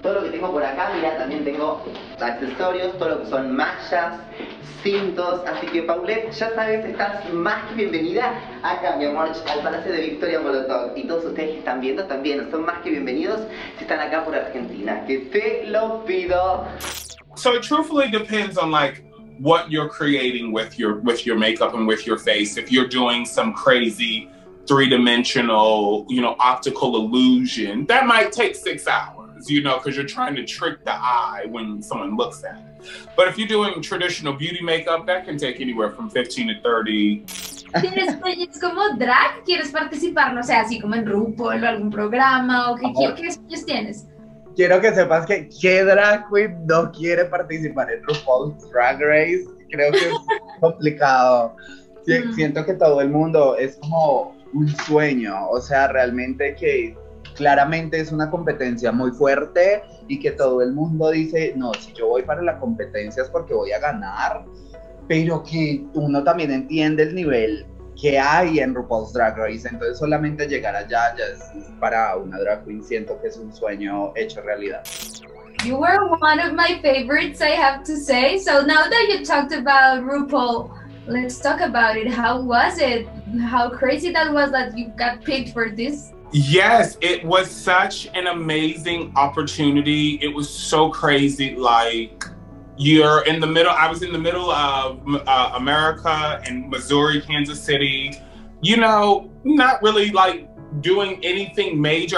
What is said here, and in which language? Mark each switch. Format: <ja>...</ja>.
<es>Todo lo que tengo por acá, mira, también tengo accesorios, todo lo que son mallas, cintos. Así que, Paulette, ya sabes, estás más que bienvenida acá, mi amor, al Palacio de Victoria Molotov. Y todos ustedes que están viendo también son más que bienvenidos si están acá por Argentina. Que te lo pido.</es> <en>So it truthfully depends on like what you're creating with your makeup and with your face. If you're doing some crazy three-dimensional, you know, optical illusion, that might take 6 hours, you know, because you're trying to trick the eye when someone looks at it. But if you're doing traditional beauty makeup, that can take anywhere from 15 to 30.</en> <es>¿Tienes sueños como drag? ¿Quieres participar, no sé, así como en RuPaul o algún programa? ¿O qué sueños tienes? Quiero que sepas que ¿qué drag queen no quiere participar en RuPaul's Drag Race? Creo que es complicado. Siento que todo el mundo es como un sueño. O sea, realmente que claramente es una competencia muy fuerte y que todo el mundo dice, no, si yo voy para la competencia es porque voy a ganar. Pero que uno también entiende el nivel que hay en RuPaul's Drag Race, entonces solamente llegar allá ya es para una drag queen, siento que es un sueño hecho realidad.</es> <en>You were one of my favorites, I have to say. So now that you talked about RuPaul, let's talk about it. How was it? How crazy that was that you got picked for this? Yes, it was such an amazing opportunity. It was so crazy, like, you're in the middle, I was in the middle of America and Missouri, Kansas City, you know, not really like doing anything major.</en>